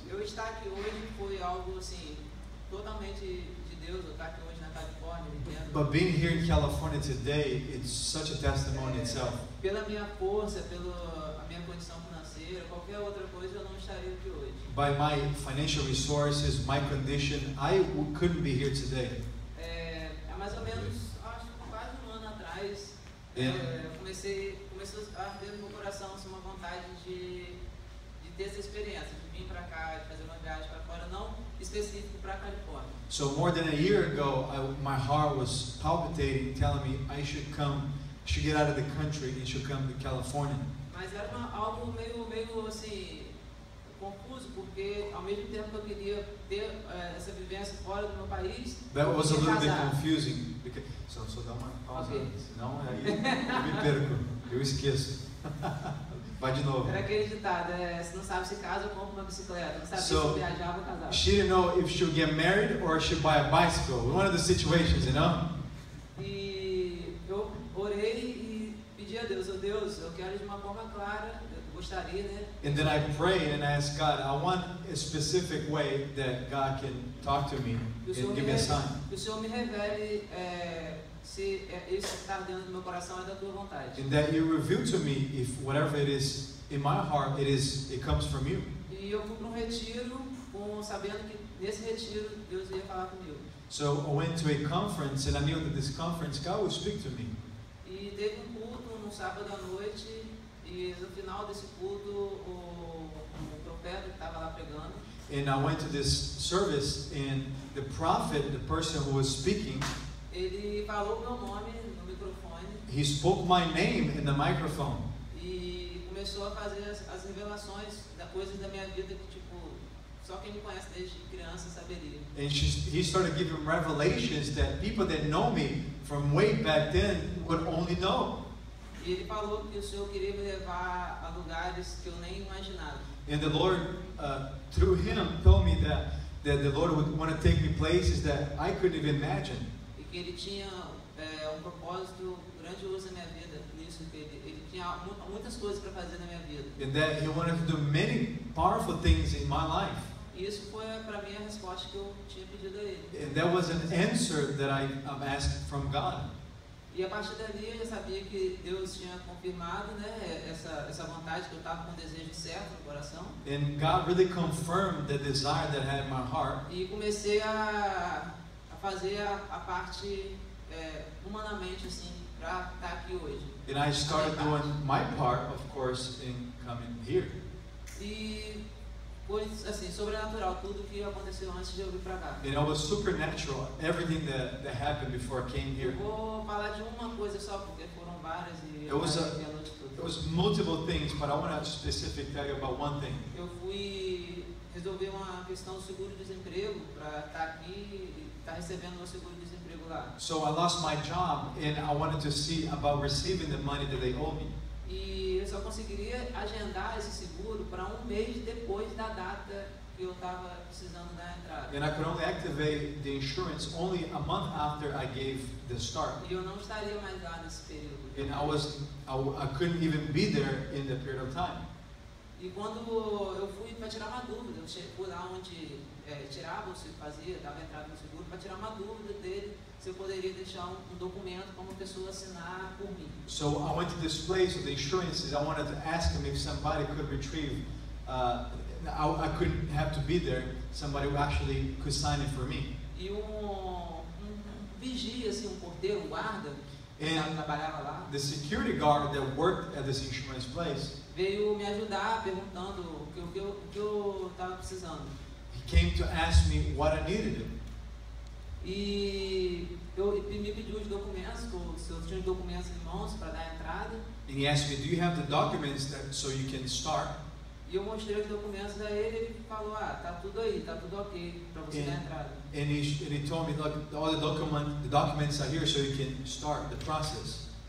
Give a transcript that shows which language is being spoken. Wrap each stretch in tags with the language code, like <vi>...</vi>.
<pt>Eu estar aqui hoje foi algo assim totalmente de Deus. Eu estar aqui hoje na Califórnia, entendo.</pt> <en>But being here in California today, it's such a testimony itself.</en> <pt>Pela minha força, pela minha condição financeira, qualquer outra coisa, eu não estaria aqui hoje.</pt> <en>By my financial resources, my condition, I couldn't be here today.</en> <pt>É mais ou menos, acho que quase 1 ano atrás.</pt> <en>Yeah.</en> <pt>Começou a arder no meu coração assim, uma vontade de ter essa experiência, de vir para cá, de fazer uma viagem para fora, não específico para a Califórnia.</pt> <en>So more than a year ago, my heart was palpitating, telling me I should get out of the country and should come to California.</en> <pt>Mas era algo meio assim, confuso, porque ao mesmo tempo que eu queria ter essa vivência fora do meu país,</pt> <en>that was a little bit confusing.</en> <pt>Só dá uma pausa, senão aí eu me perco, eu esqueço. Vai de novo. Era aquele ditado, se não sabe se casa, eu compro uma bicicleta. Não sabe se viajar, vou casar.</pt> <en>She didn't know if she'll get married or she'll buy a bicycle. One of the situations, you know?</en> <pt>E eu orei e Deus, eu quero de uma forma clara, eu gostaria, né?</pt> <en>And then I pray and ask God, I want a specific way that God can talk to me and give me a sign.</en> <pt>Que o Senhor me revele se isso que está dentro do meu coração é da tua vontade.</pt> <en>And that you reveal to me if whatever it is in my heart, it comes from you.</en> <pt>E eu fui para retiro sabendo que nesse retiro Deus ia falar comigo.</pt> <en>So I went to a conference and I knew that this conference God would speak to me.</en> <pt>E teve culto no sábado à noite e no final desse culto o profeta que estava lá pregando.</pt> <en>And I went to this service and the prophet, the person who was speaking,</en> <pt>ele falou meu nome no microfone.</pt> <en>He spoke my name in the microphone.</en> <pt>E começou a fazer as revelações da coisa da minha vida que tipo só quem me conhece desde criança saberia.</pt> <en>And he started giving revelations that people that know me from way back then would only know.</en> <pt>E ele falou que o Senhor queria me levar a lugares que eu nem imaginava.</pt> <en>And the Lord, through him, told me that the Lord would want to take me places that I couldn't even imagine.</en> <pt>E que ele tinha propósito grandioso na minha vida nisso que ele tinha muitas coisas para fazer na minha vida.</pt> <en>And that he wanted to do many powerful things in my life.</en> <pt>Isso foi para mim a resposta que eu tinha pedido a ele.</pt> <en>And that was an answer that I asked from God.</en> <pt>E a partir dali eu sabia que Deus tinha confirmado, né, essa vontade que eu estava com o desejo certo no coração.</pt> <en>And God really confirmed the desire that I had in my heart.</en> <pt>E comecei a fazer a parte humanamente assim para estar aqui hoje.</pt> <en>And I started doing my part, of course, in coming here.</en> <pt>E foi assim, sobrenatural tudo que aconteceu antes de eu vir para cá.</pt> <en>And it was supernatural everything that happened before I came here.</en> <pt>Vou falar de uma coisa só porque foram várias e</pt> <en>it was multiple things, but I want to specifically tell you about one thing.</en> <pt>Eu fui resolver uma questão do seguro-desemprego para estar aqui e estar recebendo o seguro-desemprego lá.</pt> <en>So I lost my job and I wanted to see about receiving the money that they owe me.</en> <pt>E eu só conseguiria agendar esse seguro para um mês depois da data que eu estava precisando da entrada.</pt> <en>And I could only activate the insurance only a month after I gave the start.</en> <pt>E eu não estaria mais lá nesse período.</pt> <en>And I couldn't even be there in the period of time.</en> <pt>E quando eu fui para tirar uma dúvida, eu fui lá onde dava entrada no seguro para tirar uma dúvida dele. Se eu poderia deixar um documento para uma pessoa assinar por mim.</pt> <en>So I went to this place with the insurances. I wanted to ask him if somebody could retrieve. I couldn't have to be there. Somebody who actually could sign it for me.</en> <pt>E um vigia, assim, um porteiro, um guarda, que trabalhava lá.</pt> <en>The security guard that worked at this insurance place</en> <pt>veio me ajudar perguntando o que eu estava precisando.</pt> <en>He came to ask me what I needed.</en> <pt>E ele me pediu os documentos, se eu tinha os documentos em mãos para dar a entrada.</pt> <en>And he asked me, do you have the documents that, so you can start?</en> <pt>E eu mostrei os documentos a ele e ele falou, tá tudo aí, tá tudo ok para você dar a entrada.</pt> <en>And he told me, look, all the documents are here so you can start the process.</en>